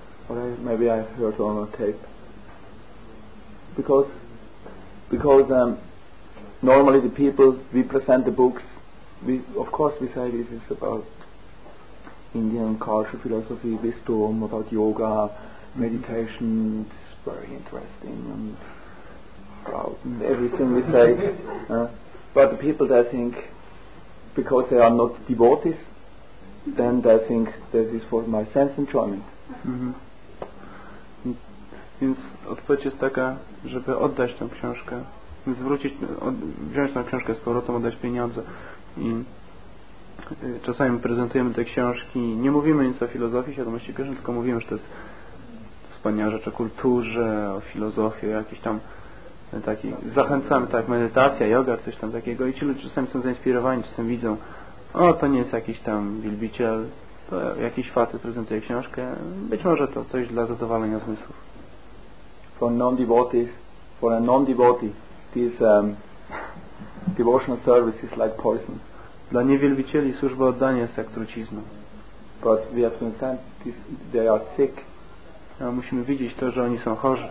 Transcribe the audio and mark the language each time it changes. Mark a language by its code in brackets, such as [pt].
[en] Okay, maybe I heard on a tape. Because normally the people, we present the books, we say this is about Indian culture, philosophy, wisdom, about yoga, meditation, very interesting and proud and everything we say. But the people, they think, because they are not devotees, then they think this is for my sense enjoyment. [pl] Więc odpowiedź jest taka, żeby oddać tę książkę, zwrócić, wziąć tę książkę z powrotem, oddać pieniądze. I czasami prezentujemy te książki, nie mówimy nic o filozofii, świadomości Krishna, tylko mówimy, że to jest wspaniała rzecz o kulturze, o filozofii, o jakiś tam taki, zachęcamy, tak, medytacja, yoga, coś tam takiego. I ci ludzie czasami są zainspirowani, czasami widzą, o, to nie jest jakiś tam wielbiciel, to jakiś facet prezentuje książkę, być może to coś dla zadowolenia zmysłów. [en] For a non-devotee, this devotional service is like poison. [pl] Dla niewielbicieli służba oddania jest jak trucizna. [en] But we have to understand this, they are sick. [pl] A musimy widzieć to, że oni są chorzy.